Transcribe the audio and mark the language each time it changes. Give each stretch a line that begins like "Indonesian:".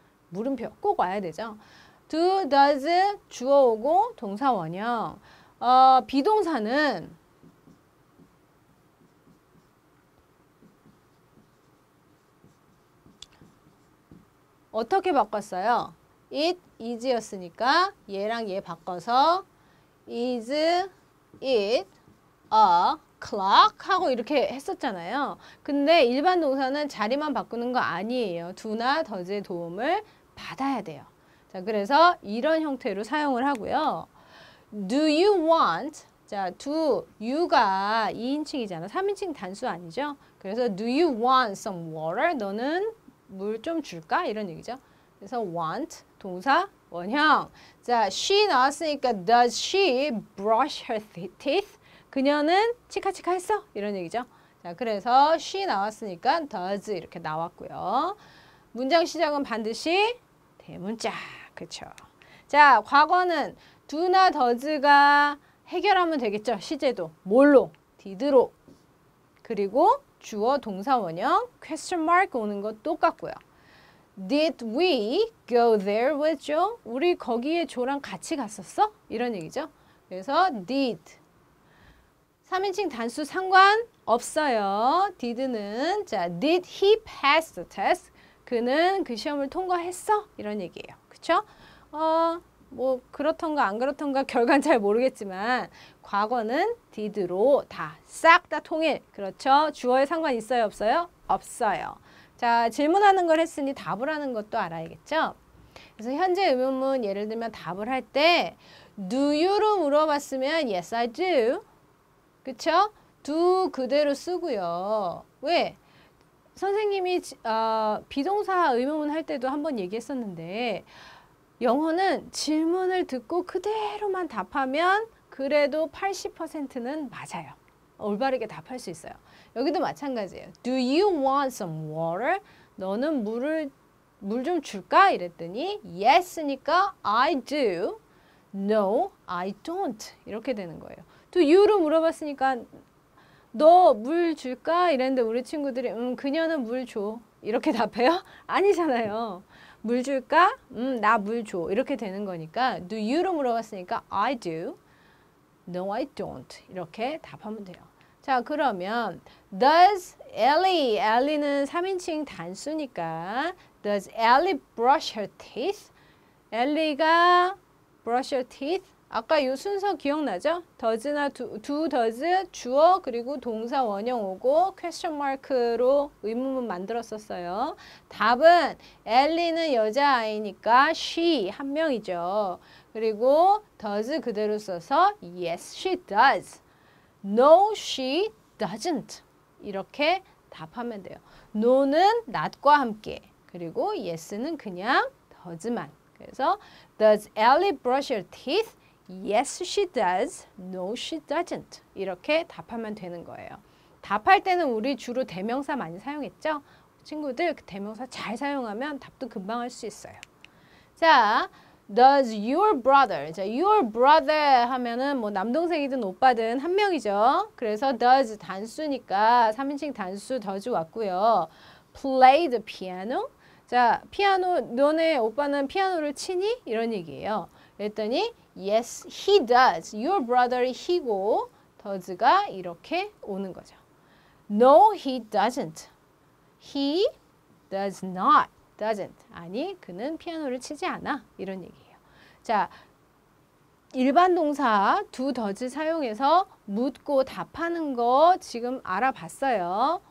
Korean: 물음표 꼭 와야 되죠. Do, does, 주어 오고 동사 원형. 비동사는 어떻게 바꿨어요?
English: It, is였으니까
Korean: 얘랑 얘 바꿔서
English: Is it a clock?
Korean: 하고 이렇게 했었잖아요. 근데 일반 동사는 자리만 바꾸는 거 아니에요. Do나 does의 도움을 받아야 돼요. 자, 그래서 이런 형태로 사용을 하고요.
English: Do you want?
Korean: 자, do, you가 2인칭이잖아. 3인칭 단수 아니죠?
English: 그래서 do you want some water?
Korean: 너는 물 좀 줄까? 이런 얘기죠. 그래서 want, 동사, 원형.
English: 자, she 나왔으니까 does she brush her teeth?
Korean: 그녀는 치카치카 했어? 이런 얘기죠. 자, 그래서 she 나왔으니까 does 이렇게 나왔고요. 문장 시작은 반드시 대문자, 그렇죠. 자, 과거는 do나 does가 해결하면 되겠죠. 시제도 뭘로? did로. 그리고 주어, 동사, 원형, question mark 오는 것 똑같고요.
English: Did we go there with Joe?
Korean: 우리 거기에 조랑 같이 갔었어? 이런 얘기죠. 그래서 did. 3인칭 단수 상관없어요.
English: did는 자, did he pass the test?
Korean: 그는 그 시험을 통과했어? 이런 얘기예요. 그렇죠? 뭐 그렇던가 안 그렇던가 결과는 잘 모르겠지만 과거는 did로 다 싹 다 통일. 그렇죠? 주어에 상관 있어요? 없어요? 없어요. 자, 질문하는 걸 했으니 답을 하는 것도 알아야겠죠? 그래서 현재 의문문 예를 들면 답을 할 때 do you로 물어봤으면
English: yes I do.
Korean: 그렇죠? do 그대로 쓰고요. 왜? 선생님이 비동사 의문문 할 때도 한번 얘기했었는데 영어는 질문을 듣고 그대로만 답하면 그래도 80%는 맞아요. 올바르게 답할 수 있어요. 여기도 마찬가지예요.
English: Do you want some water?
Korean: 너는 물 좀 줄까? 이랬더니 yes니까
English: I do. No, I don't. 이렇게 되는 거예요.
Korean: Do you로 물어봤으니까 너 물 줄까? 이랬는데 우리 친구들이 그녀는 물 줘. 이렇게 답해요? 아니잖아요. 물 줄까? 나 물 줘. 이렇게 되는 거니까 do you로 물어봤으니까 I do.
English: No, I don't. 이렇게 답하면 돼요. 자, 그러면 does Ellie, Ellie는
Korean: 3인칭 단수니까
English: does Ellie brush her teeth?
Korean: Ellie가
English: brush her teeth?
Korean: 아까 이 순서 기억나죠? does나 do does 주어 그리고 동사 원형 오고 question mark로 의문문 만들었었어요. 답은 엘리는 여자아이니까 she 한 명이죠.
English: 그리고 does
Korean: 그대로 써서
English: yes she does. no she doesn't. 이렇게 답하면 돼요.
Korean: no는 not과 함께 그리고 yes는 그냥 does만.
English: 그래서 does Ellie brush her teeth? Yes, she does. No, she doesn't.
Korean: 이렇게 답하면 되는 거예요. 답할 때는 우리 주로 대명사 많이 사용했죠? 친구들 대명사 잘 사용하면 답도 금방 할 수 있어요.
English: 자, does your brother?
Korean: 자, your brother 하면은 뭐 남동생이든 오빠든 한 명이죠. 그래서 does 단수니까 3인칭 단수 does 왔고요.
English: Play the piano?
Korean: 자, 피아노 너네 오빠는 피아노를 치니? 이런 얘기예요.
English: 그랬더니 Yes, he does.
Korean: Your brother, he고 does가 이렇게 오는 거죠.
English: No, he doesn't. He does not. Doesn't.
Korean: 아니, 그는 피아노를 치지 않아. 이런 얘기예요. 자, 일반 동사 do, does 사용해서 묻고 답하는 거 지금 알아봤어요.